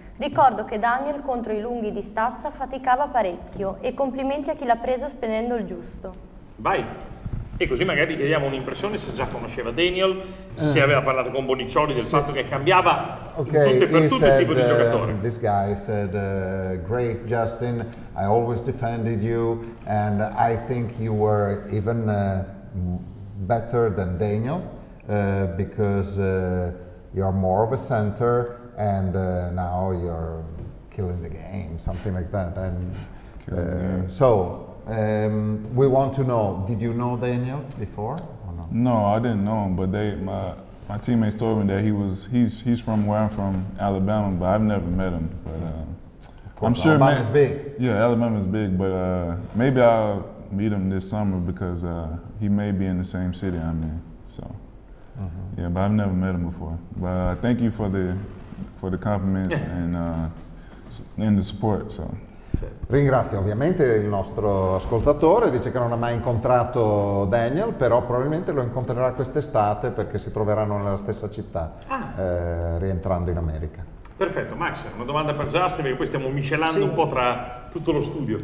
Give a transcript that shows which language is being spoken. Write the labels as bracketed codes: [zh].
[it] Ricordo che Daniel contro i lunghi di stazza faticava parecchio, e complimenti a chi l'ha preso spendendo il giusto. Vai, e così magari chiediamo un'impressione se già conosceva Daniel, se aveva parlato con Bonicioli del fatto che cambiava tutto il tipo di giocatore. [en] This guy said, great Justin, I always defended you, and I think you were even better than Daniel, because you're more of a center, and now you're killing the game, something like that. And we want to know, did you know Daniel before or no? No, I didn't know him, but My teammates told me that he's from where I'm from, Alabama, but I've never met him. But I'm sure Alabama's big. Yeah, Alabama's big, but maybe I'll meet him this summer because he may be in the same city I'm in. So mm-hmm. Yeah, but I've never met him before. But thank you for the compliments and the support. So. [it] Ringrazio ovviamente il nostro ascoltatore, dice che non ha mai incontrato Daniel, però probabilmente lo incontrerà quest'estate perché si troveranno nella stessa città rientrando in America. Perfetto, Max, una domanda per Justin, perché poi stiamo miscelando sì. Un po' tra tutto lo studio.